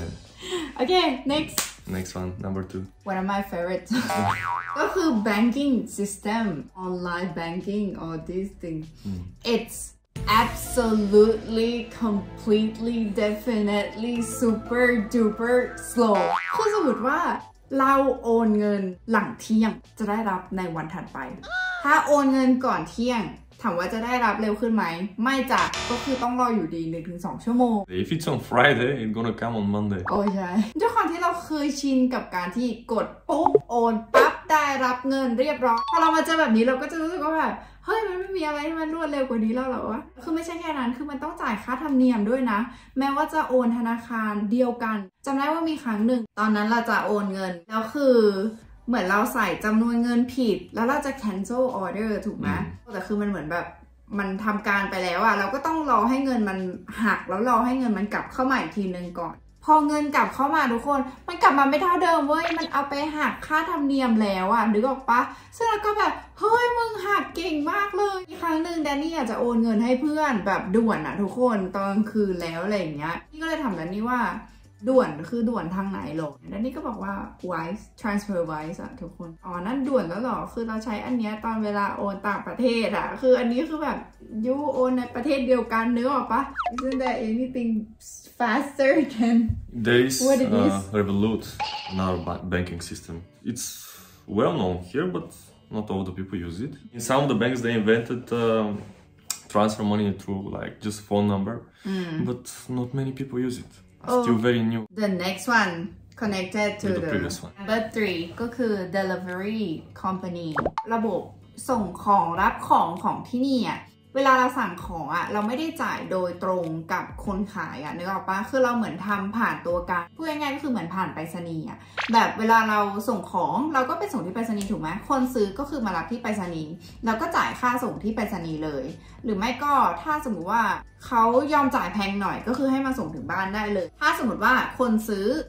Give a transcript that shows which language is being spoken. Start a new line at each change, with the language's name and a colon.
English: Yeah. Okay, next. Next one, number 2. One of my favorites. The whole banking system, online banking, or this thing, it's absolutely, completely, definitely, super duper slow.
Thai: คือสมมติว่าเราโอนเงินหลังเที่ยงจะได้รับในวันถัดไปถ้าโอนเงินก่อนเที่ยงถามว่าจะได้รับเร็วขึ้นไหมไม่จ้ะก็คือต้องรออยู่ดี 1-2 ชั่วโมง
English: If it's on Friday, it's gonna come on Monday
Thai: โอ้ใช่ด้วยความที่เราเคยชินกับการที่กดปุ๊บโอนปั๊บได้รับเงินเรียบร้อยพอเรามาเจอแบบนี้เราก็จะรู้สึกว่าแบบเฮ้ยมันไม่มีอะไรที่มันรวดเร็วกว่านี้แล้วหรอวะคือไม่ใช่แค่นั้นคือมันต้องจ่ายค่าธรรมเนียมด้วยนะแม้ว่าจะโอนธนาคารเดียวกันจำได้ว่ามีครั้งหนึ่งตอนนั้นเราจะโอนเงินแล้วคือ เหมือนเราใส่จำนวนเงินผิดแล้วเราจะ cancel order ถูกไหมแต่คือมันเหมือนแบบมันทำการไปแล้วอะเราก็ต้องรอให้เงินมันหักแล้วรอให้เงินมันกลับเข้ามาอีกทีนึงก่อนพอเงินกลับเข้ามาทุกคนมันกลับมาไม่เท่าเดิมเว้ยมันเอาไปหักค่าธรรมเนียมแล้วอะนึกออกปะซึ่งเราก็แบบเฮ้ยมึงหักเก่งมากเลยครั้งหนึ่งแดนนี่อยากจะโอนเงินให้เพื่อนแบบด่วนอะทุกคนตอนคืนแล้วอะไรอย่างเงี้ยนี่ก็เลยถามแดนนี่ว่า ด่วนคือด่วนทางไหนหรอแล้วนี่ก็บอกว่า wise transfer wise อะทุกคนอ๋อนั่นด่วนแล้วหรอคือเราใช้อันเนี้ยตอนเวลาโอนต่างประเทศอะคืออันนี้คือแบบยูโอนในประเทศเดียวกันเนื้อออกปะ
English: isn't there anything faster than there is what it is revolut in our banking system it's well known here but not all the people use it in some of the banks they invented transfer money through like just phone number but not many people use itStill very new. The next one connected to the previous one.
Thai: Number 3 ก็คือ delivery company ระบบส่งของรับของของที่นี่อ่ะเวลาเราสั่งของอ่ะเราไม่ได้จ่ายโดยตรงกับคนขายอ่ะนึกออกปะคือเราเหมือนทำผ่านตัวกลางพูดง่ายๆก็คือเหมือนผ่านไปรษณีย์อ่ะแบบเวลาเราส่งของเราก็ไปส่งที่ไปรษณีย์ถูกไหมคนซื้อก็คือมารับที่ไปรษณีย์แล้วก็จ่ายค่าส่งที่ไปรษณีย์เลยหรือไม่ก็ถ้าสมมุติว่าเขายอมจ่ายแพงหน่อยก็คือให้มาส่งถึงบ้านได้เลยถ้าสมมติว่าคนซื้อ